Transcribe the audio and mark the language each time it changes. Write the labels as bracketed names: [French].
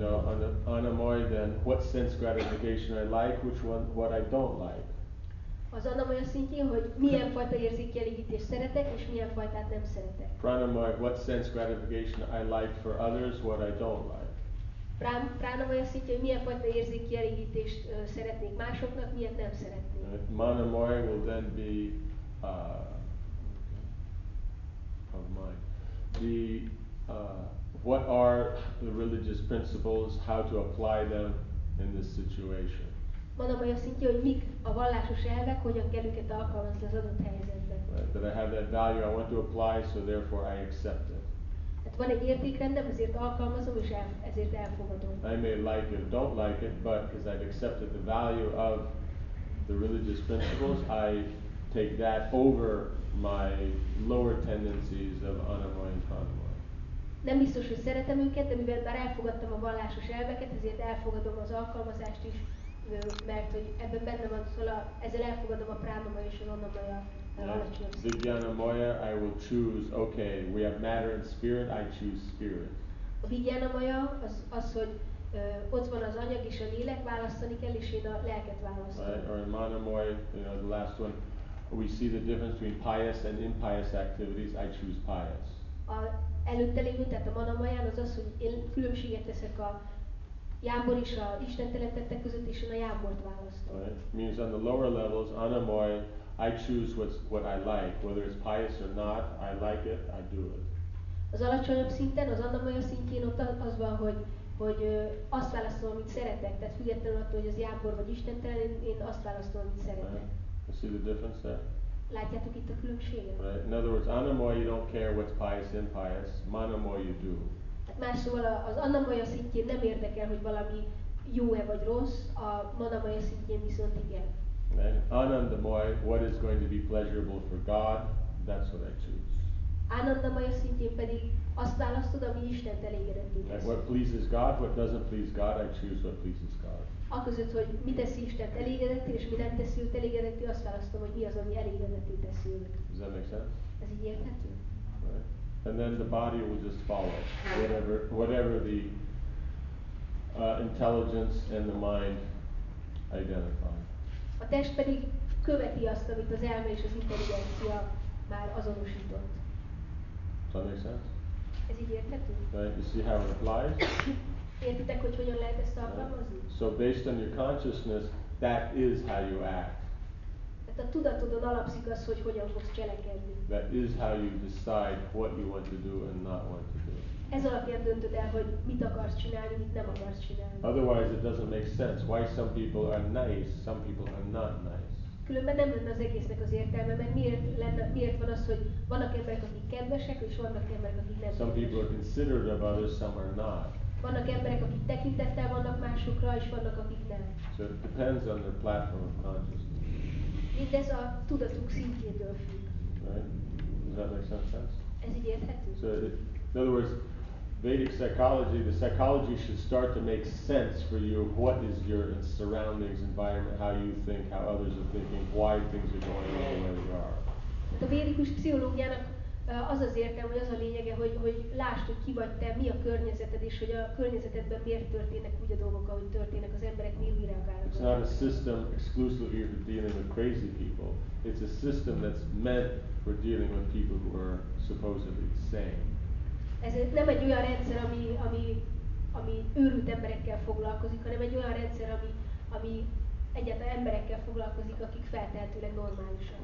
[English] You know, anandamoy then, what sense gratification I like, which one, what I don't like. [Hungarian] Az anamaya szintjén, hogy milyen fajta érzékkielégítést szeretek, és milyen fajtát nem szeretek. [English] Pranamaya, what sense gratification I like for others, what I don't like. [Hungarian] Pranamaya szintjén, milyen fajta érzékkielégítést szeretnék másoknak, milyet nem szeretnék. [English] Manamaya will then be what are the religious principles, how to apply them in this situation. [Hungarian] Manamaya szintje, hogy mik a vallásos elvek, hogyan kell őket alkalmazni az adott helyzetben. [English] That I have that value I want to apply, so therefore I accept it. [Hungarian] van egy értékrendem, ezért alkalmazom és ezért elfogadom. [English] I may like it or don't like it, but because I've accepted the value of the religious principles, I take that over my lower tendencies of anavoy and tanavoy. [Hungarian] Nem biztos, hogy szeretem őket, de mivel már elfogadtam a vallásos elveket, ezért elfogadom az alkalmazást is, mert hogy ebben benne van, ezzel elfogadom a pránamaya és a anavoya. [English] Vijnanamaya, I will choose. Okay, we have matter and spirit. I choose spirit. [Hungarian] A vijnanamaya az, hogy ott van az anyag és a lélek, választani kell, és én a lelket választom. [English] Right, or in manamaya, you know, the last one, we see the difference between pious and impious activities. I choose pious. [Hungarian] A előtte lévő, tehát a manamayán az az, hogy én különbséget teszek a jámbor és a istentelen tettek között, és én a jámbort választom. [English] Right, means on the lower levels, anamaya, I choose what I like, whether it's pious or not. I like it, I do it. [Hungarian] Az alacsonyabb szinten, az anamaya szintjén ott az van, hogy azt választom, amit szeretek. Tehát függetlenül attól, hogy az jámbor vagy istentelen, én azt választom, amit szeretek. [English] Right. See the difference there? [Hungarian] Látjátok itt a különbséget? [English] Right. In other words, anamaya, you don't care what's pious and impious. Manamaya, you do. [Hungarian] Hát más szóval az anamaya szintjén nem érdekel, hogy valami jó-e vagy rossz, a manamaya szintjén viszont igen. [English] And anandamaya, what is going to be pleasurable for God, that's what I choose. [Hungarian] Anandamaya szintjén pedig azt választod, ami Istent elégedetté tesz. [English] And what pleases God, what doesn't please God, I choose what pleases God. [Hungarian] Aközött, hogy mi teszi Istent elégedetté, és mi nem teszi őt elégedetté, azt választom, hogy mi az, ami elégedetté teszi őt. [English] Does that make sense? [Hungarian] Ez így érthető? [English] Right. And then the body will just follow, whatever the intelligence and the mind identify. [Hungarian] A test pedig követi azt, amit az elme és az intelligencia már azonosított. [English] Does that make sense? [Hungarian] Ez így érthető? [English] Right. You see how it applies? [Hungarian] Értitek, hogy hogyan lehet ezt alkalmazni? [English] Right. So based on your consciousness, that is how you act. [Hungarian] Tehát a tudatodon alapszik az, hogy hogyan fogsz cselekedni. [English] That is how you decide what you want to do and not want to do. [Hungarian] Ez alapján döntöd el, hogy mit akarsz csinálni, mit nem akarsz csinálni. [English] Otherwise it doesn't make sense why some people are nice, some people are not nice. [Hungarian] Különben nem lenne az egésznek az értelme, mert miért van az, hogy vannak emberek, akik kedvesek, és vannak emberek, akik nem. [English] Some people are considered of others, some are not. [Hungarian] Vannak emberek, akik tekintettel vannak másokra, és vannak, akik nem. [English] So it depends on their platform of consciousness. [Hungarian] Mindez a tudatuk szintjétől függ. [English] Right? Does that make some sense? [Hungarian] Ez így érthető? [English] So in other words, Vedic psychology, the psychology should start to make sense for you. What is your surroundings, environment, how you think, how others are thinking, why things are going on the way they are. [Hungarian] A védikus pszichológiának az az értelme, hogy az a lényege, hogy lásd, hogy ki vagy te, mi a környezeted, és hogy a környezetedben miért történnek úgy a dolgok, ahogy történnek, az emberek miért reagálnak. [English] It's not a system exclusively for dealing with crazy people. It's a system that's meant for dealing with people who are supposedly sane. [Hungarian] Ez nem egy olyan rendszer, ami őrült emberekkel foglalkozik, hanem egy olyan rendszer, ami egyáltalán emberekkel foglalkozik, akik feltehetőleg normálisak.